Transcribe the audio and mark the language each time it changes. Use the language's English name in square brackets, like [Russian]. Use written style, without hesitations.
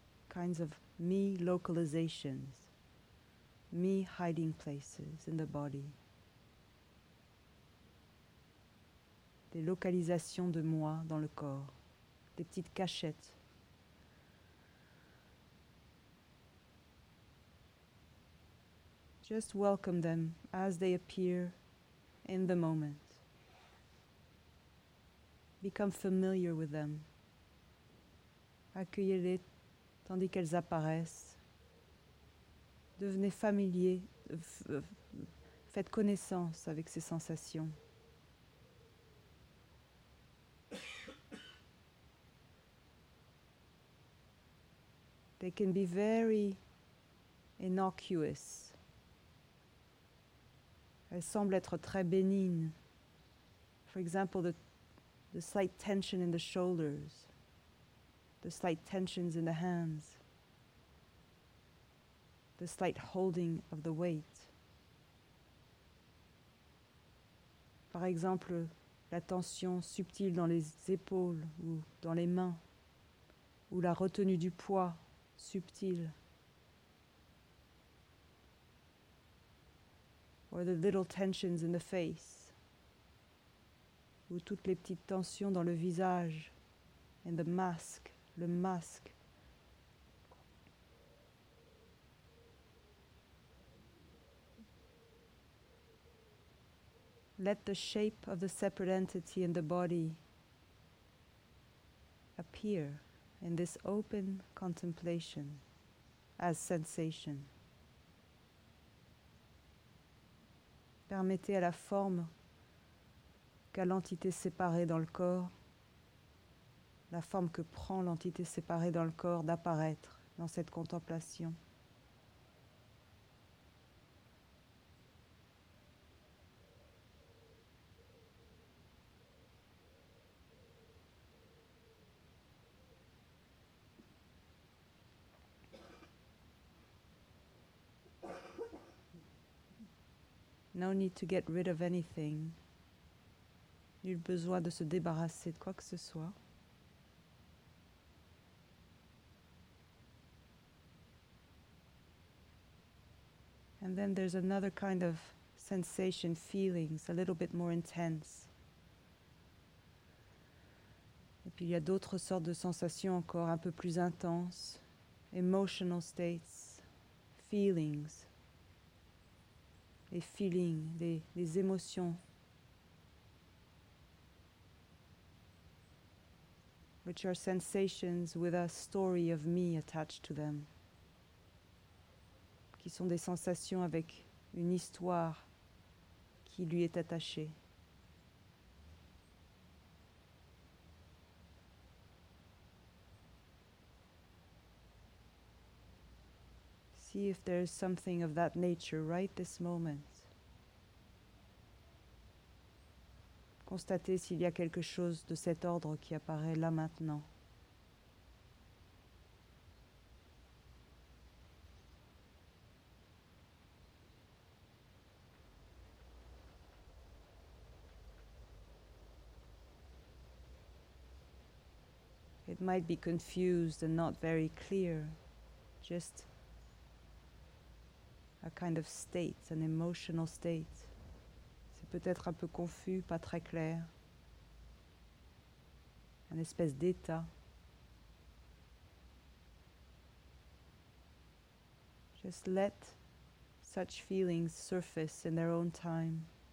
[English] Kinds of me localizations, me hiding places in the body. [French] Des localisations de moi dans le corps, des petites cachettes. [English] Do Just welcome them as they appear in the moment. Become familiar with them. [French] Accueillez-les tandis qu'elles apparaissent. Devenez familier, faites connaissance avec ces sensations. [English] They can be very innocuous. [French] Elles semblent être très bénignes. [English] For example, the slight tension in the shoulders, the slight tensions in the hands, the slight holding of the weight. [French] Par exemple, la tension subtile dans les épaules ou dans les mains, ou la retenue du poids subtile. [English] Or the little tensions in the face, [French] ou toutes les petites tensions dans le visage, [English] and the mask, [French] le masque. [English] Let the shape of the separate entity in the body appear in this open contemplation as sensation. [French] Permettez à la forme qu'a l'entité séparée dans le corps, la forme que prend l'entité séparée dans le corps d'apparaître dans cette contemplation. [English] No need to get rid of anything. [French] Nul besoin de se débarrasser de quoi que ce soit. [English] And then there's another kind of sensation, feelings, a little bit more intense. [French] Et puis il y a d'autres sortes de sensations encore un peu plus intenses, [English] emotional states, feelings. [French] Les feelings, les émotions, [English] which are sensations with a story of me attached to them, [French] qui sont des sensations avec une histoire qui lui est attachée. [English] See if there is something of that nature right this moment. [French] Constatez s'il y a quelque chose de cet ordre qui apparaît là maintenant. [English] It might be confused and not very clear, just a kind of state, an emotional state. [French] Peut-être un peu confus, pas très clair, un espèce d'état. [English] Just let such feelings surface in their own time.